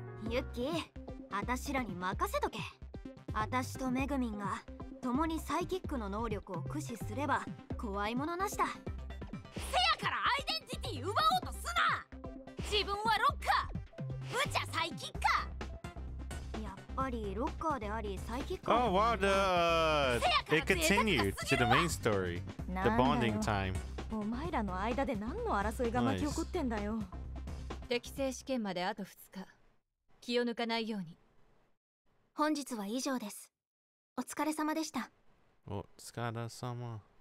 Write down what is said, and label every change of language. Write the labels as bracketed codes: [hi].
[ja] ユッキー、あたしらに任せとけ。あたしとメグミンが共にサイキックの能力を駆使すれば怖いものなしだ。せやからアイデンティティ奪おうとすな。自分はロッカー、うちはサイキッカー。 [en] Oh, wow, it continued to the main story, the bonding time. [ja] お前らの間で何の争いが巻き起こってんだよ。適正試験まであと2日。気を抜かないように。本日は以上です。お疲れ様でした。お疲れ様。